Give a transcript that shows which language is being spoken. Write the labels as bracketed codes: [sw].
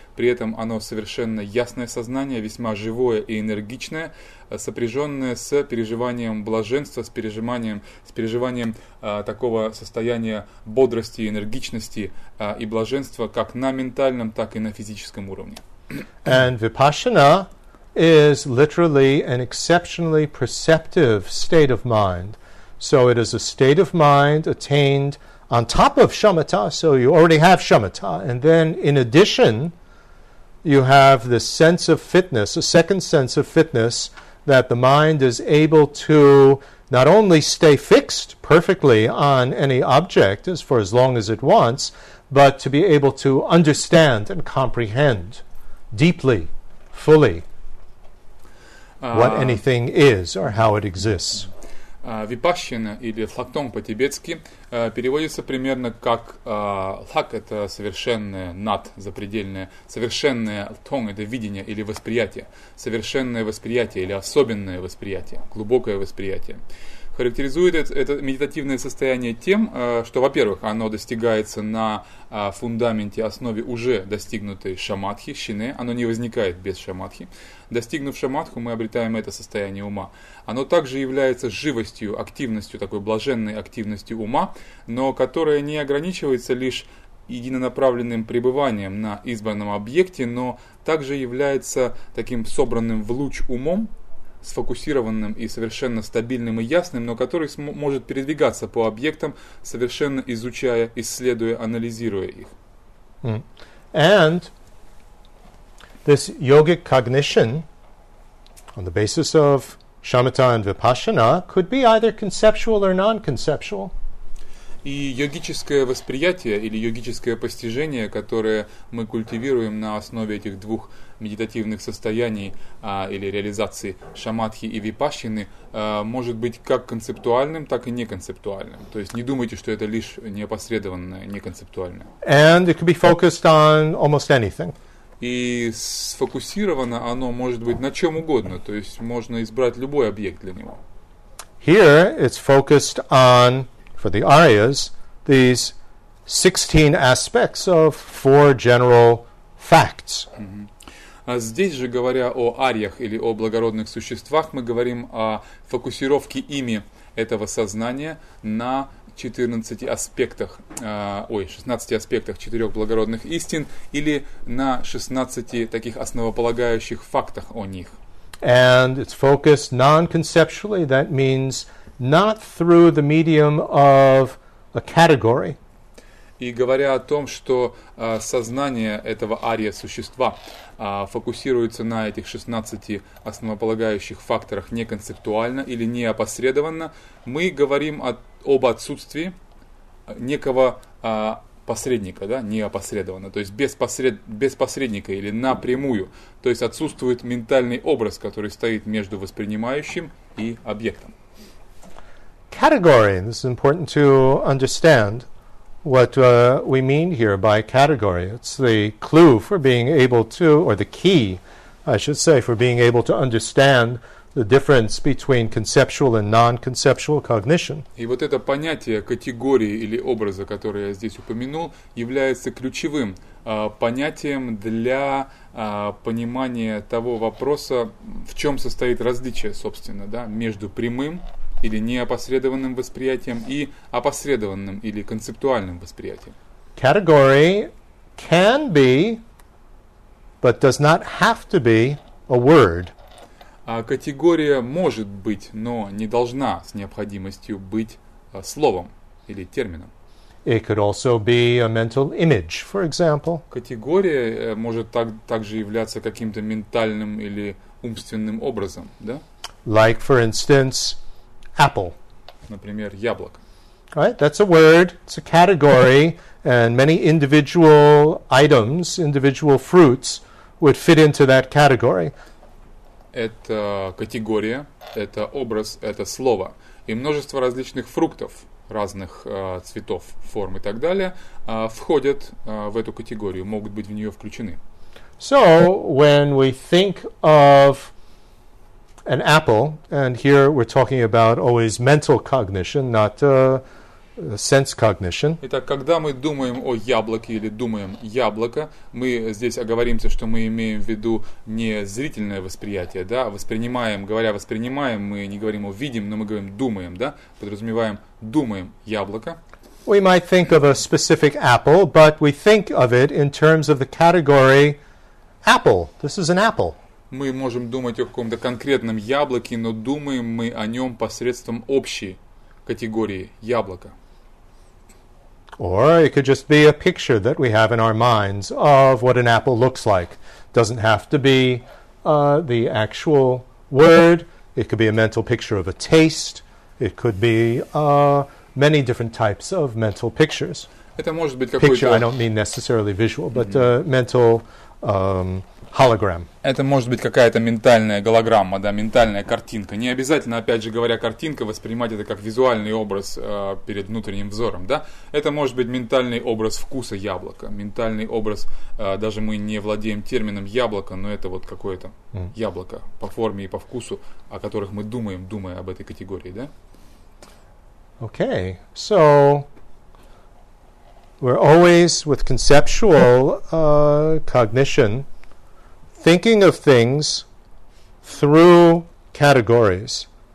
[ru] При этом оно совершенно ясное сознание, весьма живое и энергичное, сопряженное с переживанием блаженства, с переживанием такого состояния бодрости, энергичности и блаженства как на ментальном, так и на физическом уровне. [en] And vipassana is literally an exceptionally perceptive state of mind. So it is a state of mind attained on top of shamatha, so you already have shamatha. And then in addition, you have this sense of fitness, a second sense of fitness, that the mind is able to not only stay fixed perfectly on any object as for as long as it wants, but to be able to understand and comprehend deeply, fully, what anything is or how it exists. [ru] Випассана, или лхактон по-тибетски, переводится примерно как лхак – это совершенное, над, запредельное, совершенное тон – это видение или восприятие, совершенное восприятие или особенное восприятие, глубокое восприятие. Характеризует это медитативное состояние тем, что, во-первых, оно достигается на фундаменте, основе уже достигнутой шамадхи, шине, оно не возникает без шамадхи. Достигнув шамадху, мы обретаем это состояние ума. Оно также является живостью, активностью, такой блаженной активностью ума, но которая не ограничивается лишь единонаправленным пребыванием на избранном объекте, но также является таким собранным в луч умом, сфокусированным и совершенно стабильным и ясным, но который может передвигаться по объектам, совершенно изучая, исследуя, анализируя их. [en] And this yogic cognition on the basis of shamatha and vipassana could be either conceptual or non-conceptual. [ru] И йогическое восприятие или йогическое постижение, которое мы культивируем на основе этих двух медитативных состояний или реализации шамадхи и випассаны, может быть как концептуальным, так и неконцептуальным. То есть не думайте, что это лишь неопосредованное, неконцептуальное. [en] And it could be focused on almost anything. [ru] И сфокусировано оно может быть на чем угодно, то есть можно избрать любой объект для него. [en] Here it's focused on, for the Aryas, these 16 aspects of four general facts. [ru] Здесь же, говоря о ариях или о благородных существах, мы говорим о фокусировке ими этого сознания на 14 аспектах, 16 аспектах четырех благородных истин или на 16 таких основополагающих фактах о них. [en] And it's focused non-conceptually, that means not through the medium of a category. [ru] И говоря о том, что сознание этого ария-существа фокусируется на этих 16 основополагающих факторах неконцептуально или неопосредованно, мы говорим об отсутствии некого посредника, да, не опосредованно, то есть без посредника или напрямую, то есть отсутствует ментальный образ, который стоит между воспринимающим и объектом. [en] Category. This is important to understand what we mean here by category. It's the clue for being able to, or the key, I should say, for being able to understand the difference between conceptual and non-conceptual cognition. [ru] И вот это понятие категории или образа, которое я здесь упомянул, является ключевым понятием для понимания того вопроса, в чем состоит различие, собственно, да, между прямым или неопосредованным восприятием и опосредованным или концептуальным восприятием. [en] Category can be, but does not have to be, a word. [ru] А категория может быть, но не должна с необходимостью быть словом или термином. [en] It could also be a mental image, for example. [ru] Категория может также являться каким-то ментальным или умственным образом, да? [en] Like, for instance, apple. [ru] Например, яблоко. [en] Right, that's a word, it's a category, and many individual items, individual fruits would fit into that category. [ru] Это категория, это образ, это слово. И множество различных фруктов разных цветов, форм и так далее входят в эту категорию, могут быть в нее включены. [en] So, when we think of an apple, and here we're talking about always mental cognition, not sense cognition. [ru] Итак, когда мы думаем о яблоке или думаем яблоко, мы здесь оговоримся, что мы имеем в виду не зрительное восприятие, да, воспринимаем, говоря воспринимаем, мы не говорим о видим, но мы говорим думаем, да, подразумеваем думаем яблоко. [en] We might think of a specific apple, but we think of it in terms of the category apple. This is an apple. [ru] Мы можем думать о каком-то конкретном яблоке, но думаем мы о нем посредством общей категории яблока. [en] Or it could just be a picture that we have in our minds of what an apple looks like. Doesn't have to be the actual word. It could be a mental picture of a taste. It could be many different types of mental pictures. [ru] Это может быть [en] picture, I don't mean necessarily visual, but mental hologram. [ru] Это может быть какая-то ментальная голограмма, да, ментальная картинка. Не обязательно, опять же говоря, картинка воспринимать это как визуальный образ перед внутренним взором, да. Это может быть ментальный образ вкуса яблока, ментальный образ, даже мы не владеем термином яблоко, но это вот какое-то яблоко по форме и по вкусу, о которых мы думаем, думая об этой категории, да. [en] Okay, so we're always with conceptual cognition thinking of things through categories.